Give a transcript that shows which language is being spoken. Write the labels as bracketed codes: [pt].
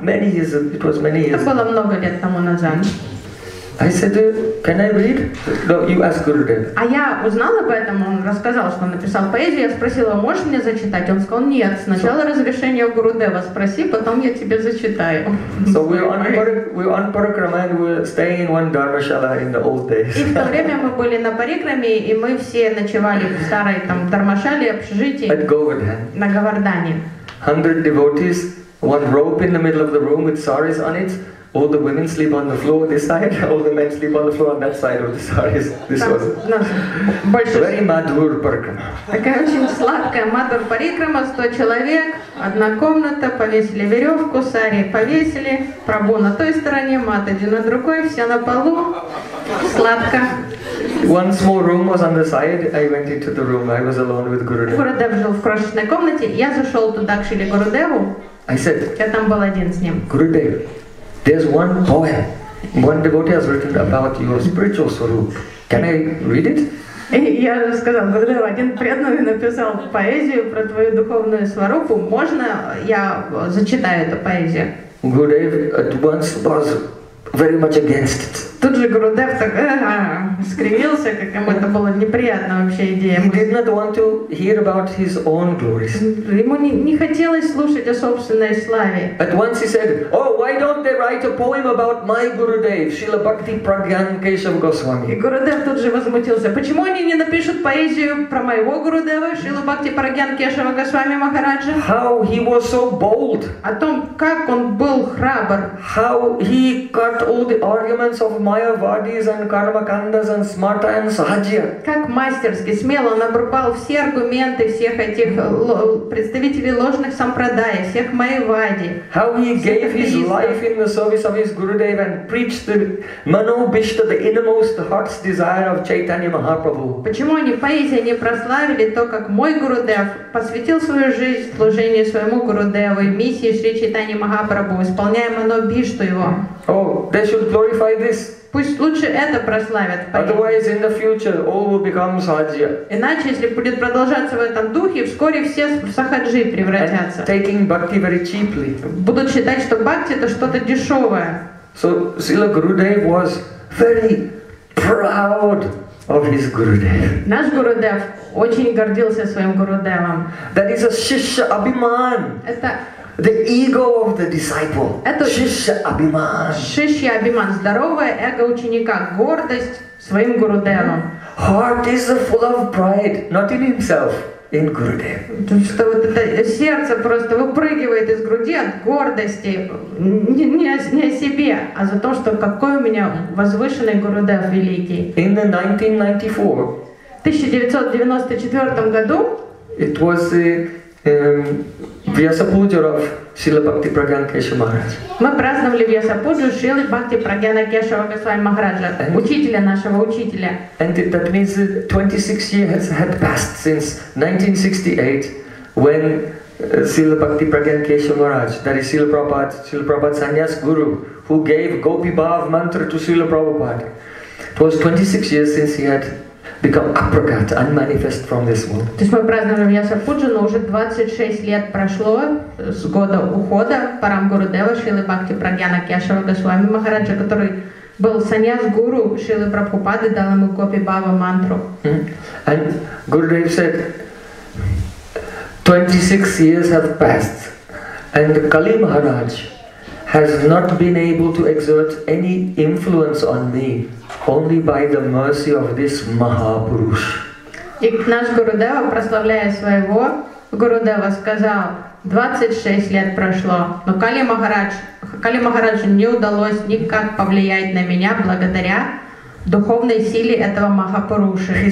[en] Many years, it was many years. [ru] Это было много лет тому назад. [en] I said, can I read? No, you ask Gurudev. [ru] А я узнал об этом, он рассказал, что написал поэзию, я спросила, можешь мне зачитать? Он сказал, нет, сначала разрешение у Гурудева спроси, потом я тебе зачитаю. [en] So we were on Parikrama and we were staying in one Dharmashala in the old days. [ru] И в то время мы были на Парикраме, и мы все ночевали в старой там Дармашале, общежитии. [en] At Govardhan. [ru] На Говардане. [en] 100 devotees, one rope in the middle of the room with saris on it. All the women sleep on the floor this side, all the men sleep on the floor on that side of the saris. This was very madhur parikrama. [ru] Такая очень сладкая мадхур парикрама, 100 человек, одна комната, повесили веревку, сари повесили, прабу на той стороне, мат один на другой, все на полу, сладко. [en] One small room was on the side, I went into the room, I was alone with Gurudev. [ru] Гурудев жил в крошечной комнате, я зашел туда к Шриле Гурудеву, я там был один с ним. [en] Gurudev. There's one poem, one devotee has written about your spiritual swarup. Can I read it? [ru] Я же сказал, Гурудев, один преданный написал поэзию про твою духовную сварупу. Можно я зачитаю эту поэзию? [en] Gurudev at once was very much against it. [ru] Тут же Гурудев так скривился, как ему это была неприятная вообще идея. [en] He did not want to hear about his own glories. [ru] Ему не хотелось слушать о собственной славе. [en] At once he said, oh, why don't they write a poem about my Gurudev, Srila Bhakti Pragyan Keshav Goswami? [ru] И Гурудев тут же возмутился. Почему они не напишут поэзию про моего Гурудева, Шрила Бхакти Прагьян Кешава Госвами Махараджа? [en] How he was so bold. [ru] О том, как он был храбр. [en] How he cut all the arguments of [ru] Майявадис и Кармакандас и Смарта и Сахаджия. Как мастерски, смело он обрубал все аргументы всех этих представителей ложных сампрадая, всех майявади. [en] How he gave his life in the service of his Gurudev and preached the Manobishta, the innermost heart's desire of Chaitanya Mahaprabhu. [ru] Почему они поэзией не прославили то, как мой Гурудев посвятил свою жизнь служению своему Гурудеву и миссии Шри Чайтанья Махапрабху, исполняя Манобишту его? [en] Oh, they should glorify this. [ru] Пусть лучше это прославят. [en] Otherwise, in the future, all will become sahajya. [ru] Иначе, если будет продолжаться в этом духе, вскоре все в сахаджи превратятся. [en] And taking bhakti very cheaply. [ru] Будут считать, что бхакти это что-то дешевое. [en] So Srila Gurudev was very proud of his Gurudev. [ru] Наш Гурудев очень гордился своим Гурудевом. [en] That is a Shishya Abhiman. [ru] Это [en] the ego of the disciple. Это Shishya Abhiman. Shishya Abhiman. [ru] Здоровое эго ученика, гордость своим Гурудевом. [en] Heart is full of pride, not in himself, in Gurudev. [ru] То что вот это сердце просто выпрыгивает из груди от гордости, не о себе, а за то, что какой у меня возвышенный Гурудев великий. [en] In the 1994. [ru] В 1994 году. [en] It was Vyasa Puja of Srila Bhakti Prajna Kesava Maharaj. [ru] Мы праздновали учителя нашего учителя. [en] And that means 26 years had passed since 1968 when Srila Bhakti Prajna Kesava Maharaj, that is Srila Prabhupada, Srila Prabhupada Sanyas Guru, who gave Gopi Bhav mantra to Srila Prabhupada. It was 26 years since he had become apricot, unmanifest from this world. [ru] То есть мы празднуем Вьяса Пуджу, но уже 26 лет прошло с года ухода Парам Гурудева Шрилы Бхакти Прагьяна Кешава Госвами Махараджа, который был саньяс гуру Шрилы Прабхупады, дал ему Гопи Бхава мантру. [en] And Gurudev said, 26 years have passed and Kali Maharaj has not been able to exert any influence on me. Only by the mercy of this Mahapurush. [ru] И наш Гурудева, прославляя своего Гурудева, сказал, 26 лет прошло, но Кали Махарадж не удалось никак повлиять на меня благодаря духовной силе этого Махапуруши.